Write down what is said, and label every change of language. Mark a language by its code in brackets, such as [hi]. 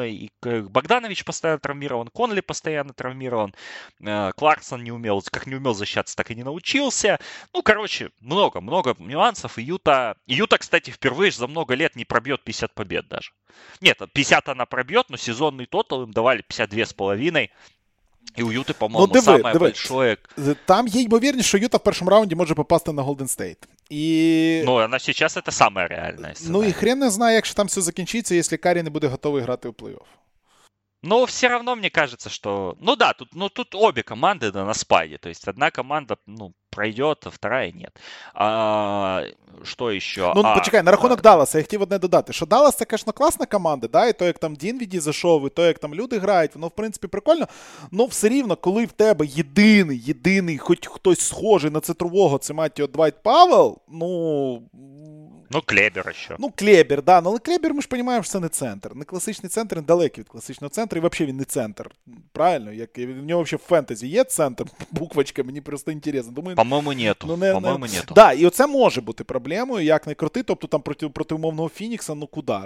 [ru] И Богданович постоянно травмирован. Конли постоянно травмирован. Кларксон не умел. Как не умел защищаться, так и не научился. Ну, короче, много-много нюансов. И Юта, кстати, впервые за много лет не пробьет 50 побед даже. Нет, 50 она пробьет, но сезонный тотал им давали 52,5. [uk] І у Юти, по-моєму, найбільшої. Там є ймовірність, що Юта в першому раунді може попасти на Golden State. І... Ну, вона зараз це саме реальне. Ну, і хрен не знає, якщо там все закінчиться, якщо Карі не буде готовий грати у плей-офф. [ru] Но все равно мне кажется, что... Ну да, тут, ну, тут обе команды на спаде. То есть одна команда, ну, пройдет, а вторая нет. А, что еще? Ну, а, [uk] почекай, на рахунок Далласа я хотів одне додати. Що Даллас, це, конечно, класна команда, да? І то, як там Дінвіді зайшов, і то, як там люди грають, воно, в принципі, прикольно. Но все рівно, коли в тебе єдиний, єдиний, хоч хтось схожий на центрового, це Маттіо Двайт Павел, ну... [ru] Ну, Клебер еще. Ну, Клебер, да. Но Клебер, мы же понимаем, что это не центр. Не классичный центр, не далекий от классичного центра. И вообще он не центр. Правильно? Як, у него вообще в фэнтези есть центр? Буквочка, мне просто интересно. Думаю, по-моему, нету. Ну, не, по-моему, не... нету. Да, и это может быть проблемой. [uk] Як не крути, [ru] то есть там против умовного Феникса, ну, куда?